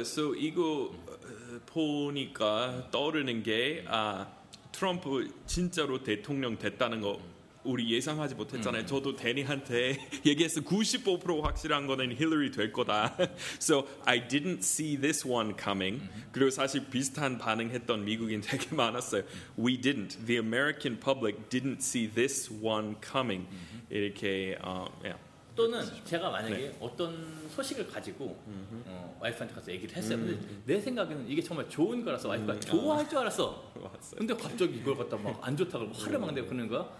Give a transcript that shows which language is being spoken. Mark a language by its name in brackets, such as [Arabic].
[Korean] So 이거 보니까 떠오르는 게 아 트럼프 진짜로 대통령 됐다는 거. 우리 예상하지 못했잖아요. 저도 데니한테 얘기했어. 95% 확실한 거는 힐러리 될 거다. [English] So I didn't see this one coming. [Korean] 그리고 사실 비슷한 반응했던 미국인 되게 많았어요. [English] We didn't. The American public didn't see this one coming. [Korean] 이렇게 또는 제가 만약에 어떤 소식을 가지고 와이프한테 가서 얘기를 했어요. 근데 내 생각에는 이게 정말 좋은 거라서 와이프가 좋아할 줄 알았어. 맞아요. 근데 갑자기 이걸 갖다 막 안 좋다고 화를 막 내고 그러는 거야.